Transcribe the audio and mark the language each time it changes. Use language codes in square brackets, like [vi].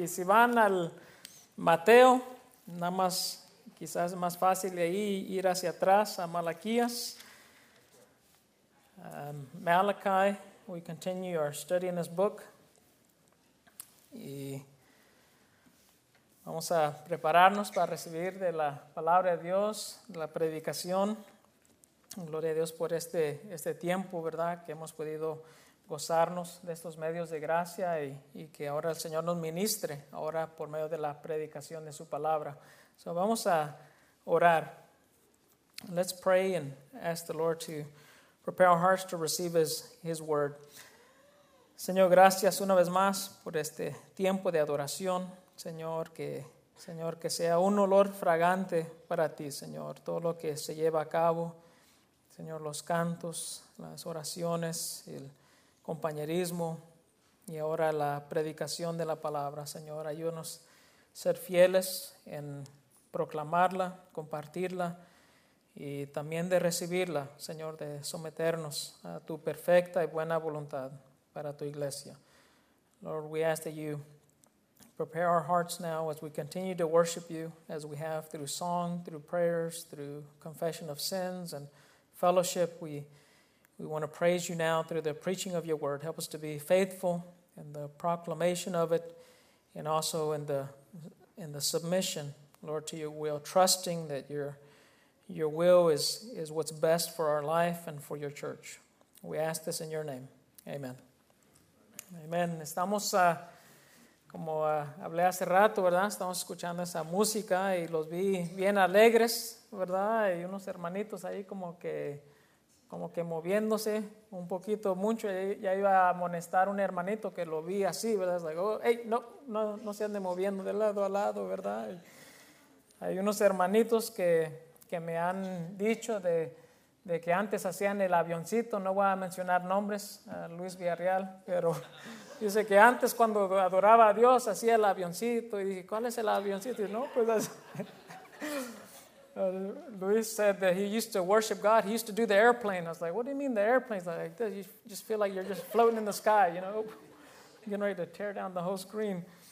[es] Y si van al Mateo, nada más, quizás es más fácil de ahí ir hacia atrás a Malaquías. [en] Malachi, we continue our study in this book. [es] Y vamos a prepararnos para recibir de la palabra de Dios, la predicación. Gloria a Dios por este tiempo, ¿verdad? Que hemos podido gozarnos de estos medios de gracia y que ahora el Señor nos ministre, ahora por medio de la predicación de su palabra. So vamos a orar. [en] Let's pray and ask the Lord to prepare our hearts to receive his word. [es] Señor, gracias una vez más por este tiempo de adoración. Señor, que sea un olor fragante para ti, Señor, todo lo que se lleva a cabo. Señor, los cantos, las oraciones, el compañerismo y ahora la predicación de la palabra. Señor, ayúdanos a ser fieles en proclamarla, compartirla y también de recibirla, Señor, de someternos a tu perfecta y buena voluntad para tu iglesia. [en] Lord, we ask that you prepare our hearts now as we continue to worship you as we have through song, through prayers, through confession of sins and fellowship. We want to praise you now through the preaching of your word. Help us to be faithful in the proclamation of it and also in the submission, Lord, to your will, trusting that your will is what's best for our life and for your church. We ask this in your name. Amen. Amen. [es] Estamos como hablé hace rato, ¿verdad? Estamos escuchando esa música y los vi bien alegres, ¿verdad? Y unos hermanitos ahí como que moviéndose un poquito mucho. Ya iba a amonestar un hermanito que lo vi así, ¿verdad? Es [en] like, oh, hey, [es] no se ande moviendo de lado a lado, ¿verdad? Y hay unos hermanitos que me han dicho de que antes hacían el avioncito. No voy a mencionar nombres, a Luis Villarreal, pero dice que antes cuando adoraba a Dios hacía el avioncito. Y dije, ¿cuál es el avioncito? Y no, pues así. [en] Luis said that he used to worship God. He used to do the airplane. I was like, what do you mean the airplane? He's like, you just feel like you're just floating in the sky, you know, getting ready to tear down the whole screen.